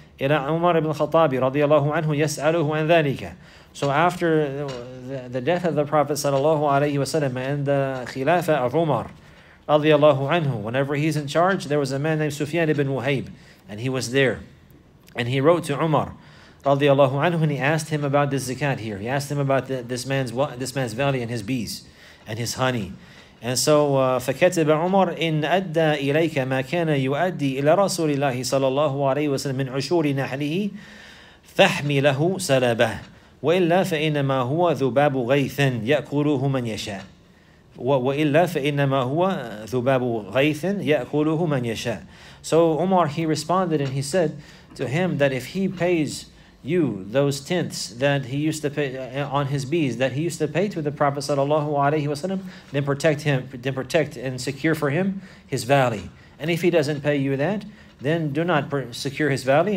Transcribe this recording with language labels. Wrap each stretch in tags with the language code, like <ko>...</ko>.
<ar>إلى عمر بن الخطاب رضي الله عنه يسأله عن ذلك.</ar> <en>So after the death of the Prophet</en> <ar>صلى الله عليه وسلم</ar> <en>and the Khilafah of Umar</en> <ar>رضي الله عنه,</ar> <en>whenever he's in charge, there was a man named Sufyan ibn Muhayb, and he was there. And he wrote to Umar</en> <ar>رضي الله عنه,</ar> <en>and he asked him about this zakat here. He asked him about this man's valley and his bees and his honey. And so</en> <ar>فكتب عمر إن أدى إليك ما كان يؤدي إلى رسول الله صلى الله عليه وسلم من عشور نحله فحمله سلبه وإلا فإنما هو ذباب غيث يأكله من يشاء وإلا فإنما هو ذباب غيث يأكله من يشاء.</ar> <en>So Umar, he responded and he said to him that if he pays you those tenths that he used to pay on his bees that he used to pay to the Prophet sallallahu alaihi wasallam, then protect him, then protect and secure for him his valley. And if he doesn't pay you that, then do not secure his valley.</en>